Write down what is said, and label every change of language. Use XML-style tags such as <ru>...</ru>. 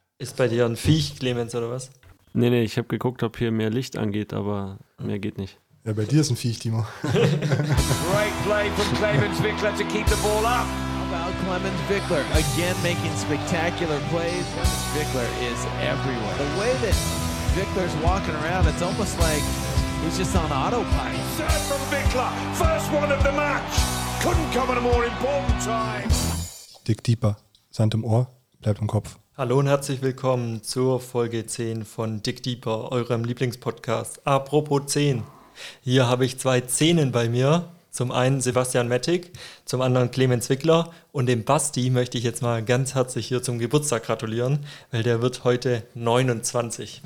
<de>Ist bei dir ein Viech, Clemens, oder was? Nee, nee, ich habe geguckt, ob hier mehr Licht angeht, aber mehr geht nicht. Ja, bei dir ist ein Viech, Timo.</de> <en>Great play from Clemens Wickler to keep the ball up. About Clemens Wickler, again making spectacular plays. Wickler is everywhere. The way that Wickler's walking around, it's almost like he's just on autopilot. Serve from Wickler, first one of the match. Couldn't come at a more important time.</en> <de>Dick Deeper, Sand im Ohr, bleibt im Kopf. Hallo und herzlich willkommen zur Folge 10 von Dick Deeper, eurem Lieblingspodcast. Apropos 10, hier habe ich zwei Zehnen bei mir. Zum einen Sebastian Mettig, zum anderen Clemens Wickler und dem Basti möchte ich jetzt mal ganz herzlich hier zum Geburtstag gratulieren, weil der wird heute 29.</de>